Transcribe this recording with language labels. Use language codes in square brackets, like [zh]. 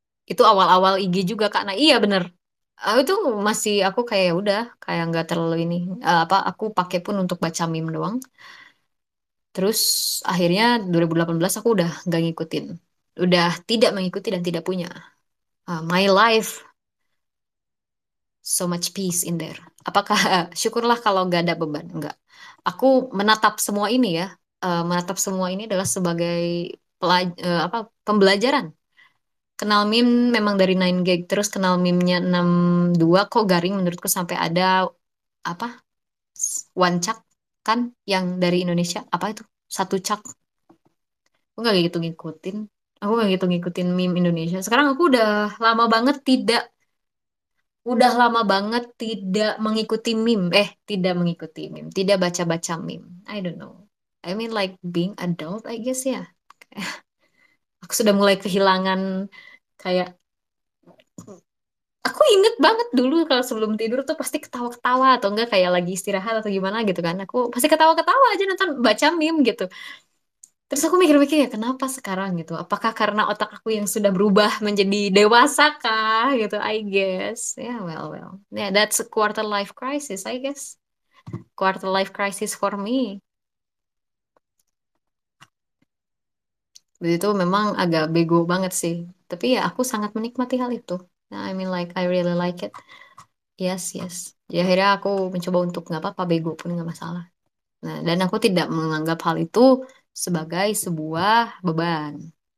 [id] Itu awal-awal IG juga Kak. Nah, iya bener. Itu masih aku kayak ya udah kayak nggak terlalu ini apa aku pakai pun untuk baca meme doang. Terus akhirnya 2018 aku udah nggak ngikutin, udah tidak mengikuti dan tidak punya. [en] My life so much peace in there. [id] Apakah syukurlah kalau nggak ada beban. Enggak, aku menatap semua ini ya, menatap semua ini adalah sebagai apa pembelajaran. Kenal meme memang dari 9gag, terus kenal meme-nya 62 kok garing menurutku sampai ada apa? Wancak kan yang dari Indonesia, apa itu? Satu cak. Aku gak gitu ngikutin. Aku gak gitu ngikutin meme Indonesia. Sekarang aku udah lama banget tidak Udah lama banget tidak mengikuti meme. Eh, tidak mengikuti meme. Tidak baca-baca meme. [en] I don't know. I mean like being adult, I guess, [id] ya. [en] Yeah. [id] Aku sudah mulai kehilangan kayak... Aku inget banget dulu kalau sebelum tidur tuh pasti ketawa-ketawa. Atau enggak kayak lagi istirahat atau gimana gitu kan. Aku pasti ketawa-ketawa aja nonton baca meme gitu. Terus aku mikir-mikir ya kenapa sekarang gitu. Apakah karena otak aku yang sudah berubah menjadi dewasa kah gitu, [en] I guess. Ya yeah, well, well. Ya yeah, that's a quarter life crisis, I guess. Quarter life crisis for me. [id] Itu memang agak bego banget sih. Tapi ya aku sangat menikmati hal itu. [en] I mean like I really like it. Yes. [id] Jadi akhirnya aku mencoba untuk nggak apa-apa bego pun nggak masalah. Nah, dan aku tidak menganggap hal itu sebagai sebuah beban.